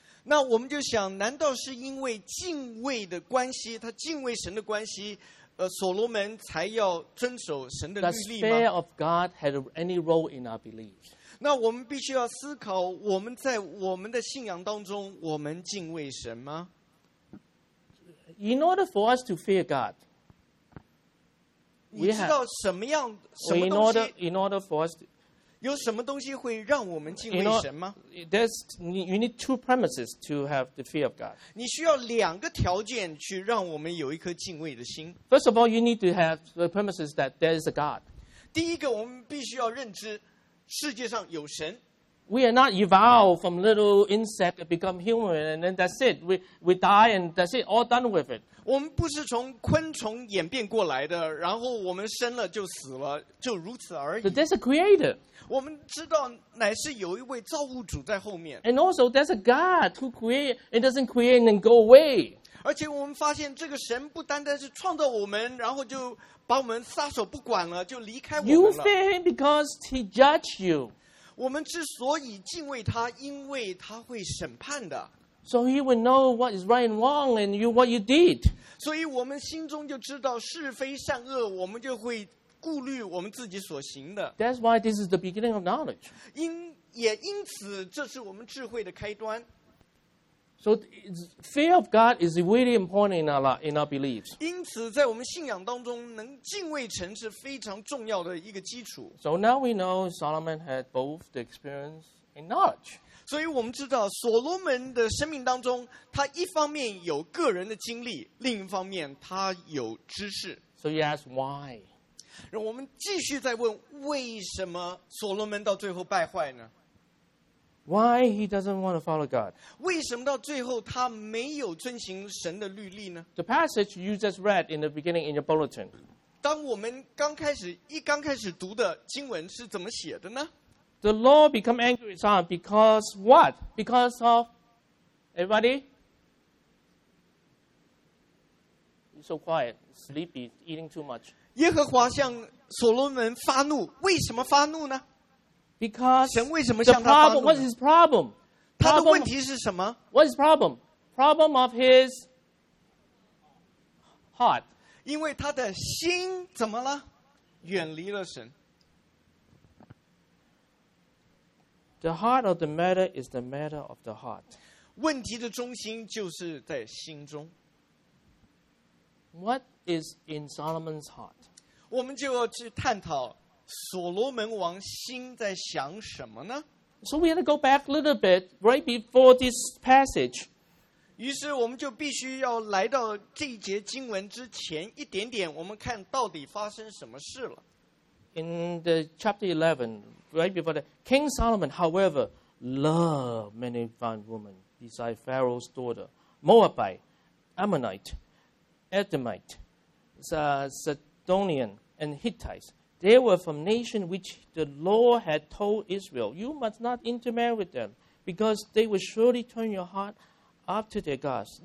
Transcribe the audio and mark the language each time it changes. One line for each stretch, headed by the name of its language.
Chinese: 那我们就想，难道是因为敬畏的关系，他敬畏神的关系，所罗门才要遵守神的律例吗？
English: Does fear of God have any role in our belief?
Chinese: 那我们必须要思考，我们在我们的信仰当中，我们敬畏神吗？
English: In order for us to fear God, we have,
Chinese: 你知道什么样什么东西
English: in order for us to,
Chinese: 有什么东西会让我们敬畏神吗？
English: You need two premises to have the fear of God.
Chinese: 你需要两个条件去让我们有一颗敬畏的心。
English: First of all, you need to have the premises that there is a God.
Chinese: 第一个，我们必须要认知世界上有神。
English: We are not evolved from little insect to become human, and then that's it. We die, and that's it. All done with it.
Chinese: 我们不是从昆虫演变过来的，然后我们生了就死了，就如此而已。
English: But there's a creator.
Chinese: 我们知道乃是有一位造物主在后面。
English: And also, there's a God who create. It doesn't create and go away.
Chinese: 而且我们发现这个神不单单是创造我们，然后就把我们撒手不管了，就离开我们了。
English: You fear him because he judged you.
Chinese: 我们之所以敬畏他，因为他会审判的。
English: So he will know what is right and wrong, and you what you did.
Chinese: 所以我们心中就知道是非善恶，我们就会顾虑我们自己所行的。
English: That's why this is the beginning of knowledge.
Chinese: 也因此，这是我们智慧的开端。
English: So fear of God is really important in our beliefs.
Chinese: 因此，在我们信仰当中，能敬畏神是非常重要的一个基础。
English: So now we know Solomon had both the experience and knowledge.
Chinese: 所以我们知道所罗门的生命当中，他一方面有个人的经历，另一方面他有知识。
English: So you ask why?
Chinese: 让我们继续再问，为什么所罗门到最后败坏呢？
English: Why he doesn't want to follow God?
Chinese: 为什么到最后他没有遵行神的律例呢？
English: The passage you just read in the beginning in your bulletin.
Chinese: 当我们刚开始读的经文是怎么写的呢？
English: The Lord become angry with Solomon because what? Because of everybody? You're so quiet, sleepy, eating too much.
Chinese: 耶和华向所罗门发怒，为什么发怒呢？
English: Because the problem, what's his problem?
Chinese: 他的问题是什么？
English: What's his problem? Problem of his heart.
Chinese: 因为他的心怎么了？远离了神。
English: The heart of the matter is the matter of the heart.
Chinese: 问题的中心就是在心中。
English: What is in Solomon's heart?
Chinese: 我们就要去探讨所罗门王心在想什么呢？
English: So we had to go back a little bit right before this passage.
Chinese: 于是我们就必须要来到这一节经文之前一点点，我们看到底发生什么事了。
English: In the chapter 11, right before that, King Solomon, however, loved many fine women beside Pharaoh's daughter, Moabite, Ammonite, Edomite, Sidonian, and Hittites. They were from nations which the Lord had told Israel, you must not intermarry with them, because they will surely turn your heart after their gods.